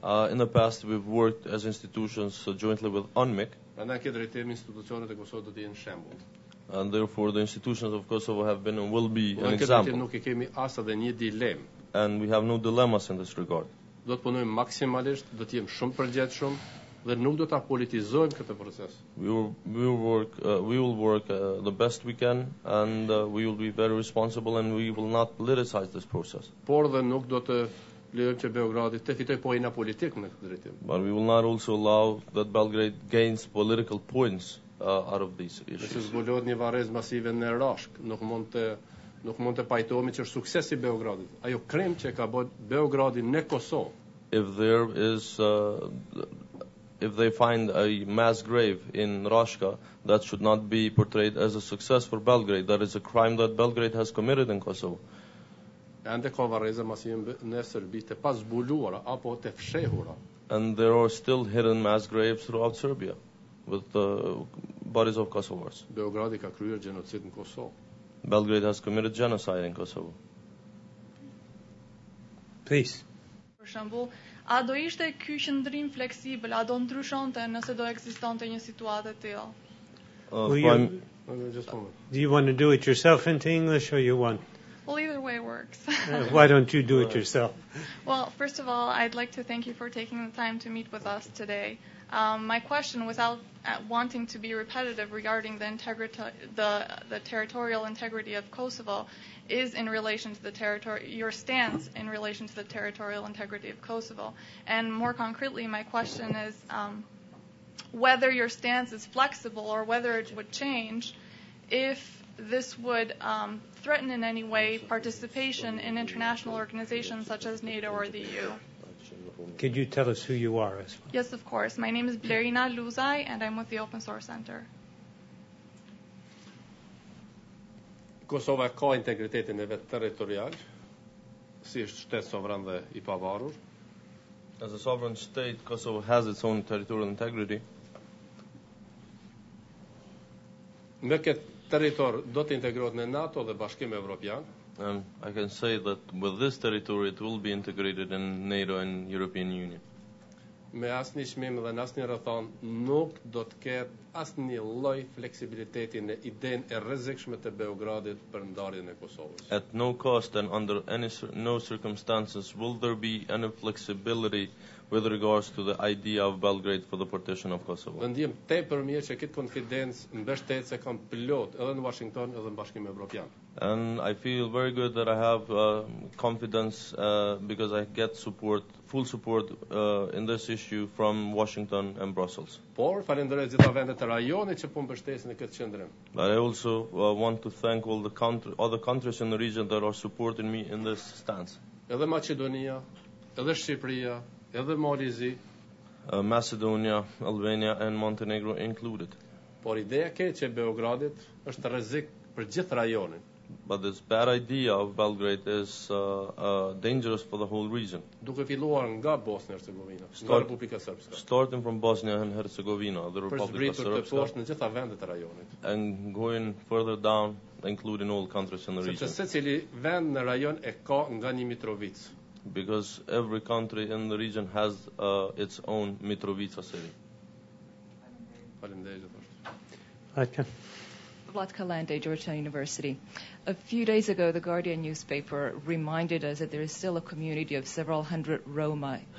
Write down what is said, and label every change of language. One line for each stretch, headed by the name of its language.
English: In the past, we've worked as institutions jointly with UNMIC. And therefore, the institutions of Kosovo have been and will be an example. And we have no dilemmas in this regard.
Albanian: Do të punojmë maksimalisht, do të jemi shumë përgjithshëm. Dhe nuk do ta politizojmë këtë proces.
English: We will work the best we can and we will be very responsible and we will not politicize this process.
Albanian: Por dhe nuk do të lejojmë që Beogradi të fitojë poena politike në këtë drejtim.
English: But we will not also allow that Belgrade gains political points out of these issues.
Albanian: Nëse zbulohet një varrezë masive në Rashk, nuk mund të pajtohemi që është suksesi Beogradit. Ajo krim që ka bërë Beogradi në Kosovë.
English: If they find a mass grave in Roshka, that should not be portrayed as a success for Belgrade. That is a crime that Belgrade has committed in Kosovo.
Albanian: And ka varreza masive në Serbi të pazbuluara apo të fshehura.
English: And there are still hidden mass graves throughout Serbia with the bodies of Kosovars.
Albanian: Beogradi ka kryer gjenocid në Kosovë.
English: Belgrade has committed genocide in Kosovo. Please.
Albanian: Për shembull, a do ishte ky qëndrim fleksibël, a do ndryshonte nëse do ekzistonte një situatë e tillë?
English: Do you want to do it yourself into English or you want? Well, either way works. Why don't you do it yourself? Well, first of all, I'd like to thank you for taking the time to meet with us today. My question, without wanting to be repetitive regarding the territorial integrity of Kosovo, is in relation to your stance in relation to the territorial integrity of Kosovo. And more concretely, my question is whether your stance is flexible or whether it would change if this would threaten in any way participation in international organizations such as NATO or the EU. Could you tell us who you are as well? Yes, of course. My name is Blerina Luzaj, and I'm with the Open Source Center.
Albanian: Kosova ka integritetin e vet territorial, si është shtetë sovran dhe i pavarur.
English: As a sovereign state, Kosovo has its own territorial integrity.
Albanian: Me këtë territor do të integrohet në NATO dhe Bashkim Evropian.
English: And I can say that with this territory, it will be integrated in NATO and European Union.
Albanian: Me asni shmim dhe nasni rëthon, nuk do të ketë asni loj fleksibiliteti në idejnë e rrezikshme të Beogradit për ndarjen e Kosovës.
English: At no cost and under no circumstances will there be any flexibility with regards to the idea of Belgrade for the partition of Kosovo.
Albanian: Mendim tepër mirë që këtë konfidencë mbështetëse kanë plot edhe në Washington edhe në Bashkimin Evropian.
English: And I feel very good that I have confidence because I get support, full support in this issue from Washington and Brussels.
Albanian: Por falenderoj të gjitha vendet e rajonit që po mbështesin në këtë qendrim.
English: But I also want to thank all the other countries in the region that are supporting me in this stance.
Albanian: Edhe Maqedonia, edhe Shqipëria, edhe Malizi,
English: Macedonia, Albania and Montenegro included.
Albanian: Por ideja e keqe e Beogradit është rrezik për gjithë rajonin.
English: But this bad idea of Belgrade is dangerous for the whole region.
Albanian: Duke filluar nga Bosnia Hercegovina, nga Republika Srpska.
English: Starting from Bosnia and Herzegovina, the Republic of Serbia.
Albanian: Për zbritur të poshtë në gjitha vendet e rajonit.
English: And going further down, including all countries in the region.
Albanian: Sepse secili vend në rajon e ka nga një Mitrovicë.
English: Because every country in the region has its own Mitrovica city. Vlatka Lande, Georgetown University. A few days ago, the Guardian newspaper reminded us that there is still a community of several hundred Roma.